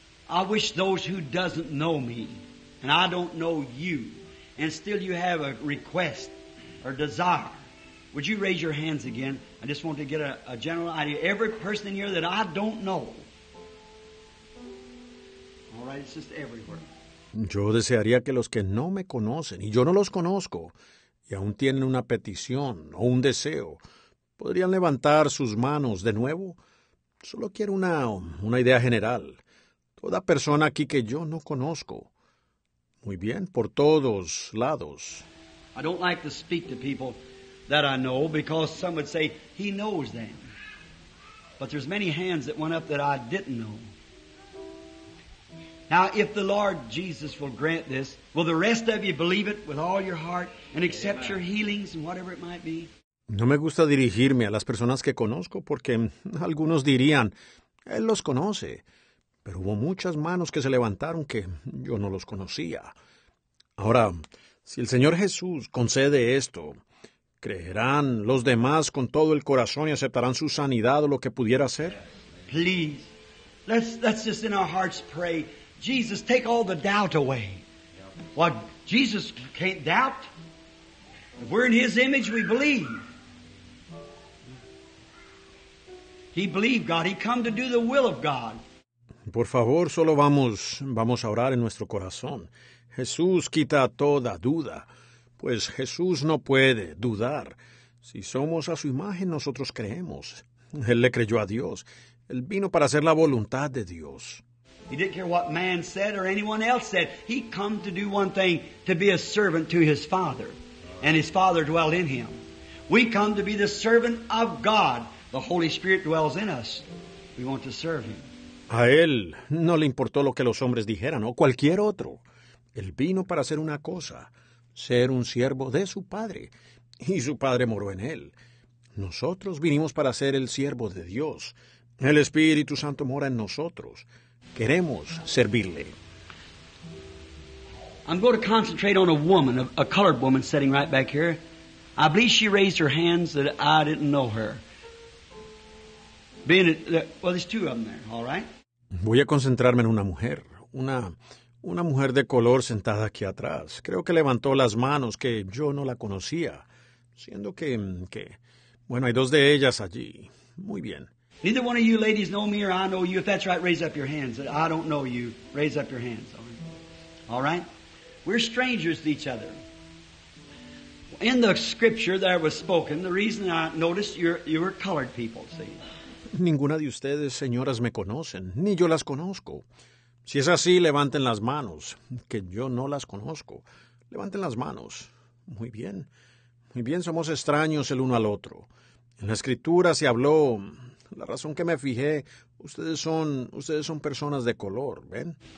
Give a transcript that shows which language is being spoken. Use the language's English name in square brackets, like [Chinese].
[English] I wish those who doesn't know me, and I don't know you, and still you have a request or desire, would you raise your hands again? I just want to get a general idea. Every person in here that I don't know. All right, it's just everywhere. [Spanish] Yo desearía que los que no me conocen, y yo no los conozco, y aún tienen una petición o un deseo, podrían levantar sus manos de nuevo. Solo quiero una idea general. Toda persona aquí que yo no conozco. Muy bien, por todos lados. [English] I don't like to speak to people that I know because some would say, he knows them. But there's many hands that went up that I didn't know. Now, if the Lord Jesus will grant this, will the rest of you believe it with all your heart and accept your healings and whatever it might be? [Spanish] No me gusta dirigirme a las personas que conozco porque algunos dirían, él los conoce. Pero hubo muchas manos que se levantaron que yo no los conocía. Ahora, si el Señor Jesús concede esto, ¿creerán los demás con todo el corazón y aceptarán su sanidad o lo que pudiera ser? [English] Please, let's just in our hearts pray. Jesus, take all the doubt away. What, Jesus can't doubt? If we're in His image, we believe. He believed God. He come to do the will of God. [Spanish] Por favor, solo vamos a orar en nuestro corazón. Jesús quita toda duda, pues Jesús no puede dudar. Si somos a su imagen, nosotros creemos. Él le creyó a Dios. Él vino para hacer la voluntad de Dios. [English] He didn't care what man said or anyone else said. He come to do one thing, to be a servant to His Father. And His Father dwelt in Him. We come to be the servant of God. The Holy Spirit dwells in us. We want to serve Him. [Spanish] A Él no le importó lo que los hombres dijeran o cualquier otro. Él vino para hacer una cosa, ser un siervo de su Padre. Y su Padre moró en Él. Nosotros vinimos para ser el siervo de Dios. El Espíritu Santo mora en nosotros. Queremos servirle. [English] I'm going to concentrate on a woman, a colored woman sitting right back here. I believe she raised her hands that I didn't know her. There's two of them there, all right? [Spanish] Voy a concentrarme en una mujer. Una mujer de color sentada aquí atrás. Creo que levantó las manos que yo no la conocía. Siendo que bueno, hay dos de ellas allí. Muy bien. [English] Neither one of you ladies know me or I know you. If that's right, raise up your hands. I don't know you. Raise up your hands. All right? We're strangers to each other. In the scripture that was spoken, the reason I noticed you were colored people, see? [Spanish] Ninguna de ustedes, señoras, me conocen, ni yo las conozco. Si es así, levanten las manos, que yo no las conozco. Levanten las manos. Muy bien. Muy bien, somos extraños el uno al otro. En la escritura se habló... La razón que me fijé, ustedes son personas de color, ¿ven?